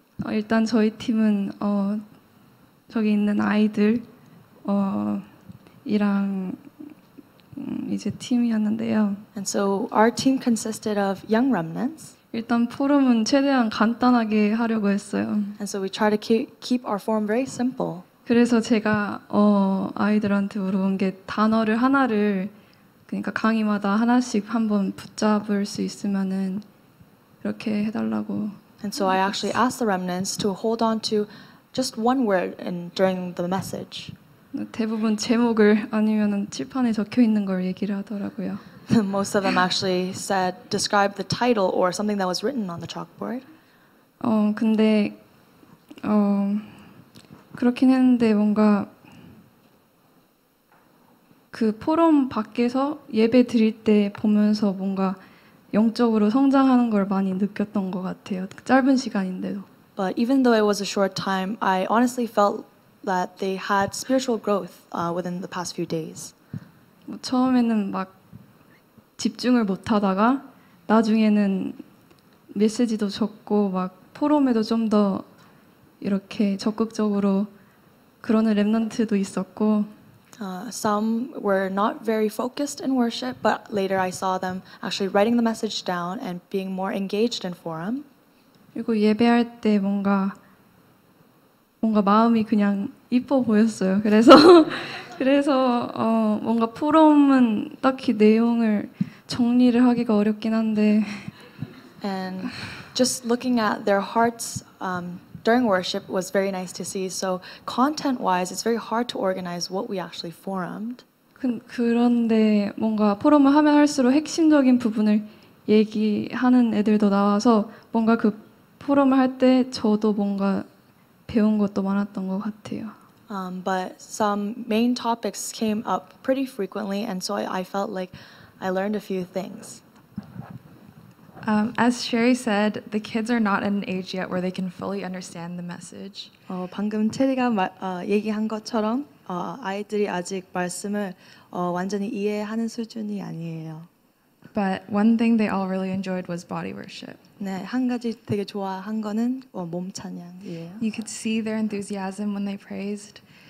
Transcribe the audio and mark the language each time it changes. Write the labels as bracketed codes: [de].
[ko] 일단 저희 팀은 저기 있는 아이들 이랑 이제 팀이었는데요. [en] And so our team consisted of young remnants. [ko] 일단 포럼은 최대한 간단하게 하려고 했어요. [en] And so we try to keep our form very simple. [ko] 그래서 제가 아이들한테 물어본 게 단어를 하나를 그러니까 강의마다 하나씩 한번 붙잡을 수 있으면은 이렇게 해달라고. [en] And so I actually asked the remnants to hold on to just one word during the message. [ko] 대부분 제목을 아니면은 칠판에 적혀 있는 걸 얘기를 하더라고요. [en] Most of them actually said describe the title or something that was written on the chalkboard. [ko] 근데 그렇긴 했는데 뭔가 그 포럼 밖에서 예배 드릴 때 보면서 뭔가 영적으로 성장하는 걸 많이 느꼈던 것 같아요. 짧은 시간인데도. [en] But even though it was a short time, I honestly felt that they had spiritual growth within the past few days. [ko] 처음에는 막 집중을 못 하다가 나중에는 메시지도 적고 막 포럼에도 좀 더 이렇게 적극적으로 그런 렘넌트도 있었고 [en] some were not very focused in worship but later I saw them actually writing the message down and being more engaged in forum. [ko] 그리고 예배할 때 뭔가 마음이 그냥 이뻐 보였어요. 그래서 뭔가 포럼은 딱히 내용을 정리를 하기가 어렵긴 한데. [en] And just looking at their hearts during worship was very nice to see. So content-wise, it's very hard to organize what we actually formed. [ko] 그런데 뭔가 포럼을 하면 할수록 핵심적인 부분을 얘기하는 애들도 나와서 뭔가 그 포럼을 할 때 저도 뭔가 배운 것도 많았던 것 같아요. [en] But some main topics came up pretty frequently, and so I felt like I learned a few things. As Sherry said, the kids are not at an age yet where they can fully understand the message. [ko] 방금 체리가 얘기한 것처럼 아이들이 아직 말씀을 완전히 이해하는 수준이 아니에요. [en] But one thing they all really enjoyed was body worship. [ko] 네, 한 가지 되게 좋아한 거는 몸 찬양이에요. [en] You could see their enthusiasm when they praised.